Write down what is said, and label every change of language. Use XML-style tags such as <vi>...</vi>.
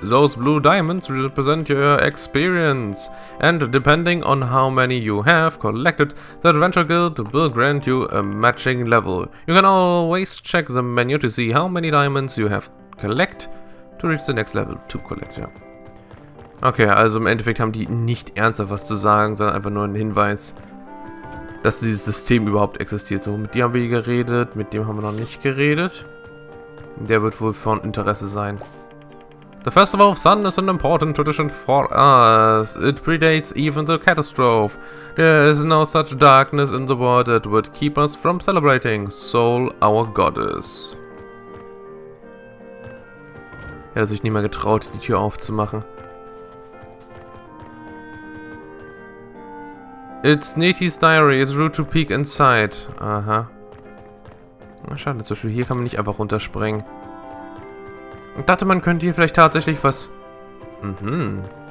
<en>Those blue diamonds represent your experience. And depending on how many you have collected, the Adventure Guild will grant you a matching level. You can always check the menu to see how many diamonds you have collect to reach the next level to collect. Yeah.</en> <de>Okay, also im Endeffekt haben die nicht ernsthaft was zu sagen, sondern einfach nur einen Hinweis, dass dieses System überhaupt existiert. So, mit dir haben wir hier geredet, mit dem haben wir noch nicht geredet. Der wird wohl von Interesse sein.</de> <en>The Festival of Sun is an important tradition for us. It predates even the catastrophe. There is no such darkness in the world that would keep us from celebrating Sol, our goddess.</en> <de>Er hat sich nie mehr getraut, die Tür aufzumachen.</de> <en>It's Nettie's Diary. It's rude to peek inside. Aha.</en> <de>Na, schade, zum Beispiel hier kann man nicht einfach runterspringen. Ich dachte, man könnte hier vielleicht tatsächlich was... Mhm.</de>